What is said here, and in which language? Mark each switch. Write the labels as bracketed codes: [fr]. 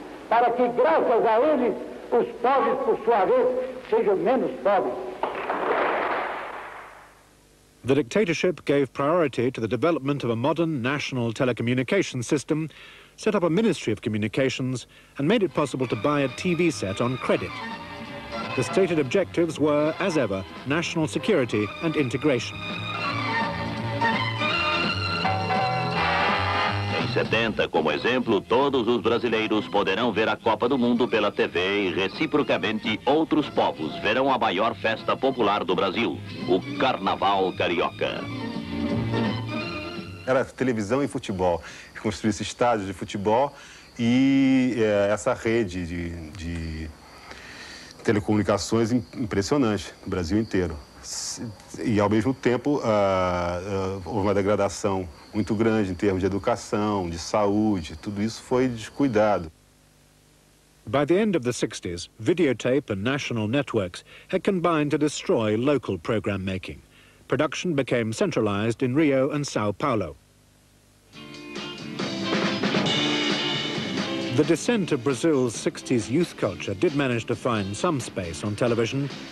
[pt] Para que, graças a eles, os pobres, por sua vez, sejam menos pobres. [en] The dictatorship gave priority to the development of a modern national telecommunications system, set up a ministry of communications, and made it possible to buy a TV set on credit. The stated objectives were, as ever, national security and integration. [pt] Em 70, como exemplo, todos os brasileiros poderão ver a Copa do Mundo pela TV e, reciprocamente, outros povos verão a maior festa popular do Brasil, o Carnaval Carioca. Era televisão e futebol. Construísse estádios de futebol e essa rede de telecomunicações impressionante no Brasil inteiro. E, ao mesmo tempo, houve uma degradação muito grande em termos de educação, de saúde, tudo isso foi descuidado. [en] By the end of the 60s, videotape and national networks had combined to destroy local program making. Production became centralized in Rio and São Paulo. The descent of Brazil's 60s youth culture did manage to find some space on television.